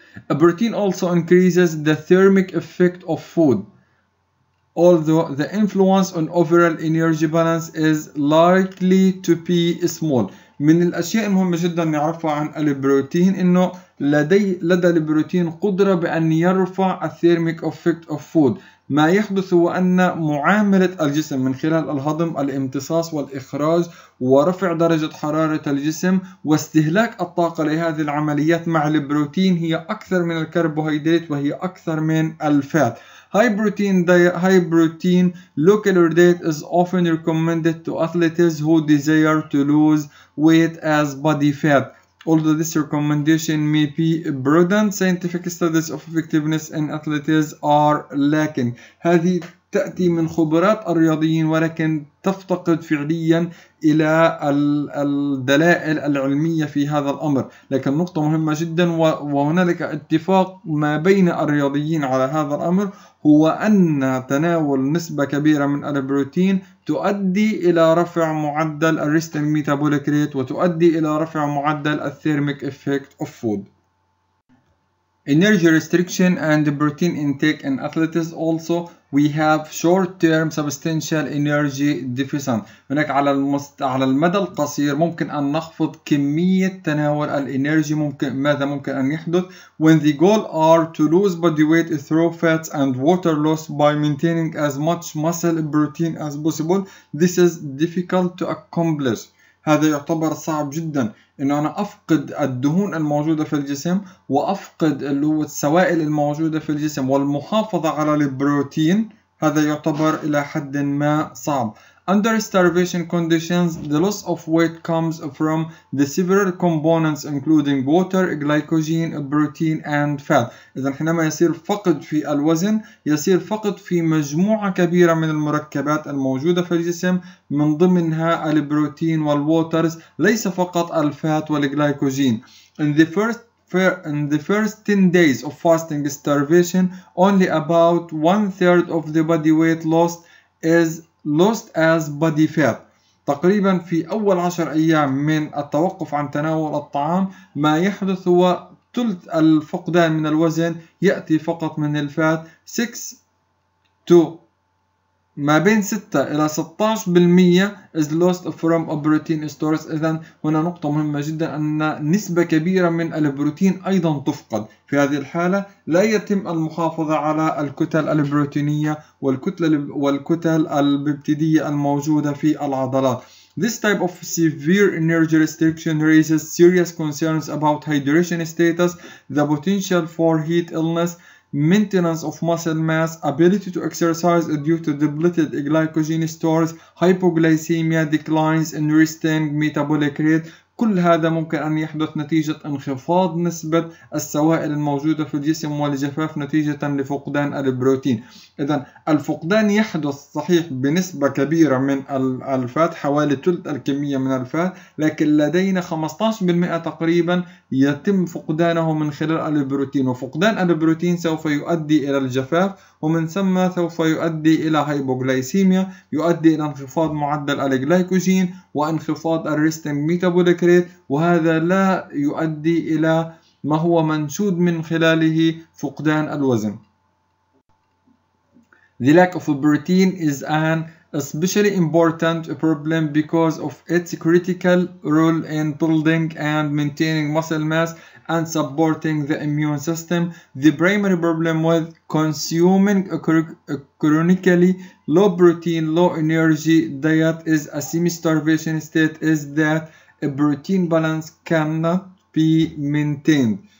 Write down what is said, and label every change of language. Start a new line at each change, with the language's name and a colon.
English: البروتين also increases the thermic effect of food although the influence on overall energy balance is likely to be small.
Arabic: من الأشياء المهمة جدا نعرفها عن البروتين إنه لدى البروتين قدرة بأن يرفع الثيرميك افكت اوف فود. ما يحدث هو أن معاملة الجسم من خلال الهضم الامتصاص والإخراج ورفع درجة حرارة الجسم واستهلاك الطاقة لهذه العمليات مع البروتين هي أكثر من الكربوهيدرات وهي أكثر من الفات.
English: High protein low calorie diet is often recommended to athletes who desire to lose weight as body fat. Although this recommendation may be prudent, scientific studies of effectiveness in athletes are lacking.
Arabic: هذه تأتي من خبرات الرياضيين ولكن تفتقد فعليا إلى الدلائل العلمية في هذا الأمر. لكن نقطة مهمة جدا وهنالك اتفاق ما بين الرياضيين على هذا الأمر هو أن تناول نسبة كبيرة من البروتين تؤدي إلى رفع معدل الريستنج ميتابوليك ريت وتؤدي إلى رفع معدل الثيرميك إفكت أوف فود.
English: Energy restriction and protein intake in athletes also we have short-term substantial energy deficit.
Arabic: هناك على المدى القصير ممكن أن نخفض كمية تناول الإنرجي. ممكن ماذا ممكن أن يحدث؟
English: When the goal are to lose body weight through fats and water loss by maintaining as much muscle protein as possible, this is difficult to accomplish.
Arabic: هذا يعتبر صعب جدا انه انا افقد الدهون الموجودة في الجسم وافقد اللي هو السوائل الموجودة في الجسم والمحافظة على البروتين. هذا يعتبر الى حد ما صعب.
English: Under starvation conditions, the loss of weight comes from the several components including water, glycogen, protein and fat.
Arabic: إذن حينما يصير فقد في الوزن يصير فقد في مجموعة كبيرة من المركبات الموجودة في الجسم من ضمنها البروتين والووترز ليس فقط الفات والجلايكوجين.
English: In the first 10 days of fasting starvation, only about one-third of the body weight lost is lost as body fat.
Arabic: تقريبا في أول 10 أيام من التوقف عن تناول الطعام ما يحدث هو ثلث الفقدان من الوزن يأتي فقط من الفات.
English: 6 to
Arabic: ما بين 6 إلى 16%
English: is lost from protein stores.
Arabic: إذن هنا نقطة مهمة جدا أن نسبة كبيرة من البروتين أيضا تفقد. في هذه الحالة لا يتم المحافظة على الكتل البروتينية والكتل الببتيدية الموجودة في العضلات.
English: This type of severe energy restriction raises serious concerns about hydration status, the potential for heat illness, maintenance of muscle mass, ability to exercise due to depleted glycogen stores, hypoglycemia, declines in resting metabolic rate.
Arabic: كل هذا ممكن أن يحدث نتيجة انخفاض نسبة السوائل الموجودة في الجسم والجفاف نتيجة لفقدان البروتين. إذن الفقدان يحدث صحيح بنسبة كبيرة من الفات حوالي ثلث الكمية من الفات لكن لدينا 15% تقريبا يتم فقدانه من خلال البروتين وفقدان البروتين سوف يؤدي إلى الجفاف ومن ثم سوف يؤدي إلى هايبوغلايسيميا يؤدي إلى انخفاض معدل الجلايكوجين وانخفاض الريستنج ميتابوليك ريت وهذا لا يؤدي إلى ما هو منشود من خلاله فقدان الوزن.
English: The lack of protein is an especially important problem because of its critical role in building and maintaining muscle mass and supporting the immune system. The primary problem with consuming a chronically low protein, low energy diet is a semi-starvation state is that a protein balance cannot be maintained.